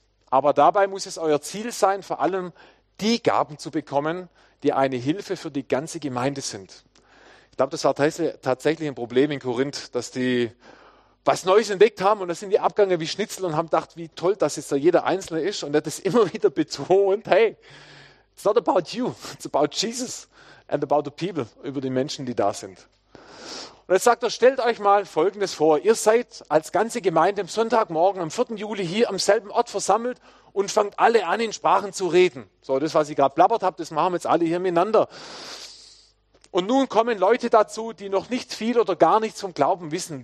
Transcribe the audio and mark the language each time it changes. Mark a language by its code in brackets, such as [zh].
[de] Aber dabei muss es euer Ziel sein, vor allem die Gaben zu bekommen, die eine Hilfe für die ganze Gemeinde sind. Ich glaube, das war tatsächlich ein Problem in Korinth, dass die was Neues entdeckt haben und da sind die abgegangen wie Schnitzel und haben gedacht, wie toll, dass jetzt da jeder Einzelne ist und er hat das immer wieder betont. [en] Hey, it's not about you, it's about Jesus and about the people, [de] über die Menschen, die da sind. Und jetzt sagt er, stellt euch mal Folgendes vor. Ihr seid als ganze Gemeinde am Sonntagmorgen, am 4. Juli hier am selben Ort versammelt und fangt alle an, in Sprachen zu reden. So, das, was ich gerade blabbert habe, das machen wir jetzt alle hier miteinander. Und nun kommen Leute dazu, die noch nicht viel oder gar nichts vom Glauben wissen.